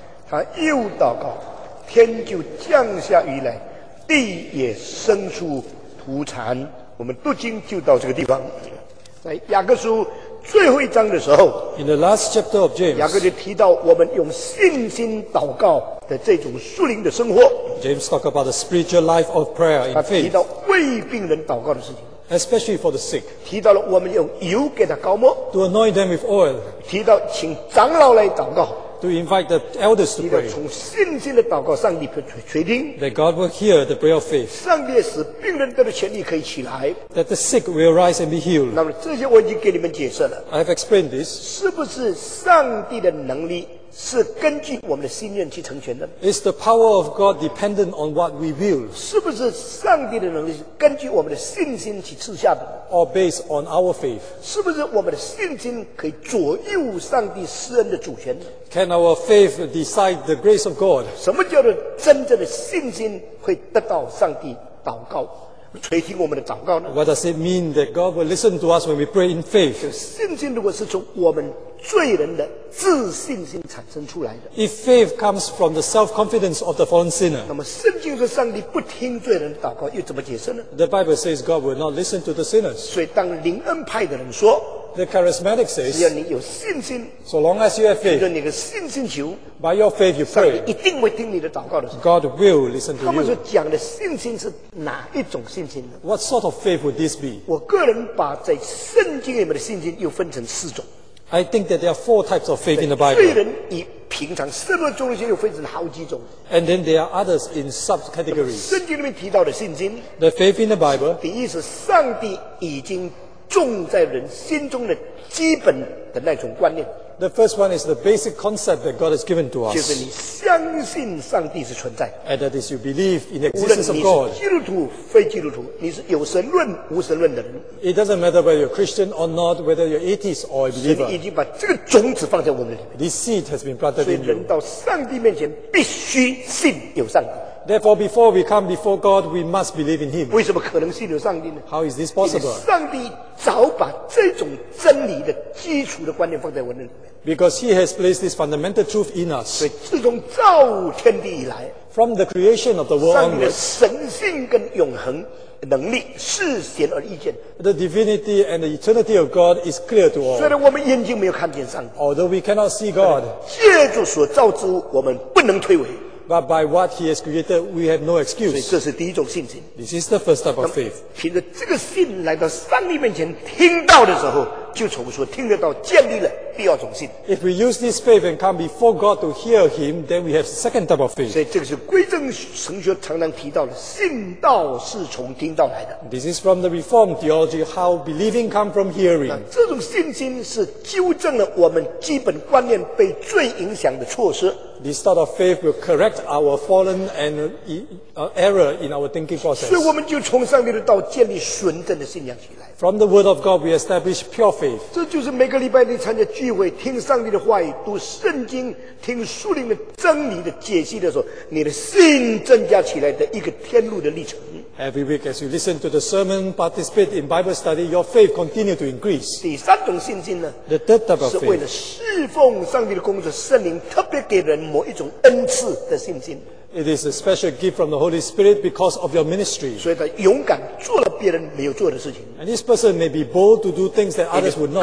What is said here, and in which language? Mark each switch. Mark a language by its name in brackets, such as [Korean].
[Chinese] 他又祷告，天就降下雨来，地也生出土产。我们读经就到这个地方。在雅各书最后一章的时候， [English] In the last chapter of James, [Chinese] 雅各就提到我们用信心祷告的这种属灵的生活。 [English] James talk about the spiritual life of prayer in faith. [Chinese] 他提到为病人祷告的事情， [English] especially for the sick. [Chinese] 提到了我们用油给他膏抹， [English] to anoint them with oil. [Chinese] 提到请长老来祷告， [English] to invite the elders to pray. [Chinese] 提到从信心的祷告，上帝垂听， [English] that God will hear the prayer of faith. [Chinese] 上帝使病人得到权利可以起来， [English] that the sick will rise and be healed. [Chinese] 那么这些我已经给你们解释了， [English] I have explained this. [Chinese] 是不是上帝的能力是根据我们的心愿去成全的？ [English] Is the power of God dependent on what we will? [Chinese] 是不是上帝的能力是根据我们的信心去赐下的？ [English] Or based on our faith? [Chinese] 是不是我们的信心可以左右上帝施恩的主权的？ [English] Can our faith decide the grace of God? [Chinese] 什么叫做真正的信心会得到上帝祷告垂听我们的祷告呢？ [English] What does it mean that God will listen to us when we pray in faith? [Chinese] 信心如果是从我们罪人的自信心产生出来的， [English] If faith comes from the self-confidence of the fallen sinner, [Chinese] 那么圣经说上帝不听罪人的祷告又怎么解释呢？ [English] The Bible says God will not listen to the sinners. [Chinese] 所以当灵恩派的人说， [English] The charismatic says, [Chinese] 只要你有信心， [English] So long as you have faith, [Chinese] 就是你的信心求， [English] By your faith you pray, [Chinese] 上帝一定会听你的祷告的时候， [English] God will listen to you. [Chinese] 他们说讲的信心是哪一种信心呢？ [English] What sort of faith would this be? [Chinese] 我个人把在圣经里面的信心又分成四种。 [English] I think that there are four types of faith in the Bible. [Chinese] 罪人以平常生活中的信心分成好几种。 [English] And then there are others in subcategories. [Chinese] 圣经里面提到的信心， [English] the faith in the Bible, [Chinese] 第一是上帝已经种在人心中的基本的那种观念。 [English] The first one is the basic concept that God has given to us. [Chinese] 就是你相信上帝是存在。 [English] And that is you believe in the existence of God. [Chinese] 无论你是基督徒非基督徒，你是有神论无神论的人。 [English] It doesn't matter whether you're Christian or not, whether you're atheist or a believer. [Chinese] 神已经把这个种子放在我们里面。 [English] This seed has been planted in you. [Chinese] 所以人到上帝面前必须信有上帝。 [English] Therefore, before we come before God, we must believe in Him. [Chinese] 为什么可能信有上帝呢？ [English] How is this possible? [Chinese] 上帝早把这种真理的基础的观念放在我们里面。 [English] Because He has placed this fundamental truth in us. [Chinese] 所以自从造天地以来， [English] From the creation of the world onwards, [Chinese] 上帝的神性跟永恒能力是显而易见。 [English] The divinity and the eternity of God is clear to all. [Chinese] 虽然我们眼睛没有看见上帝， [English] Although we cannot see God, [Chinese] 借助所造之物，我们不能推诿。 [English] But by what He has created, we have no excuse. [Chinese] 所以这是第一种信心。 [English] This is the first type of faith. [Chinese] 凭着这个信来到上帝面前听到的时候，就从说听得到建立了第二种信。 [English] If we use this faith and come before God to hear Him, then we have second type of faith. [Chinese] 所以这个是归正神学常常提到的，信道是从听到来的。 [English] This is from the Reformed theology, how believing come from hearing. [Chinese] 那这种信心是纠正了我们基本观念被罪影响的措施。 [English] This sort of faith will correct our fallen and error in our thinking process. [Chinese] 所以我们就从上帝的道建立纯正的信仰起来。 [English] From the word of God, we establish pure faith. [Chinese] 这就是每个礼拜你参加聚会，听上帝的话语，读圣经，听属灵的真理的解析的时候，你的信增加起来的一个天路的历程。 [English] Every week as you listen to the sermon, participate in Bible study, your faith continue to increase. [Chinese] 第三种信心呢， [English] the third type of faith, [Chinese] 是为了侍奉上帝的工作，圣灵特别给人某一种恩赐的信心。 [English] It is a special gift from the Holy Spirit because of your ministry. [Chinese] 所以他勇敢做了别人没有做的事情。 [English] And this person may be bold to do things that others would not.